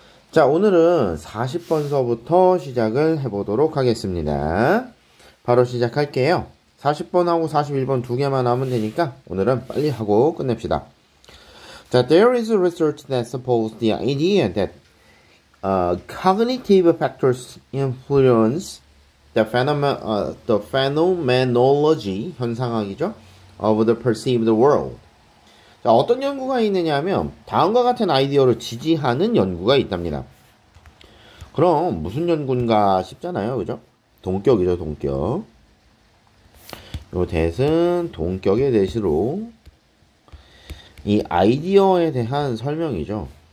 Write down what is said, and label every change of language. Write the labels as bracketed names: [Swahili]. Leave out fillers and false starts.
[Korean] 자, 오늘은 40번서부터 시작을 해보도록 하겠습니다. 바로 시작할게요. 40번하고 41번 두 개만 하면 되니까 오늘은 빨리 하고 끝냅시다. [English] 자, there is a research that supports the idea that cognitive factors influence the phenomenology, [Korean] 현상학이죠? [English] of the perceived world. [Korean] 자, 어떤 연구가 있느냐 하면, 다음과 같은 아이디어를 지지하는 연구가 있답니다. 그럼, 무슨 연구인가 싶잖아요. 그죠? 동격이죠, 동격. 요, 대신, 동격의 대시로, 이 아이디어에 대한 설명이죠.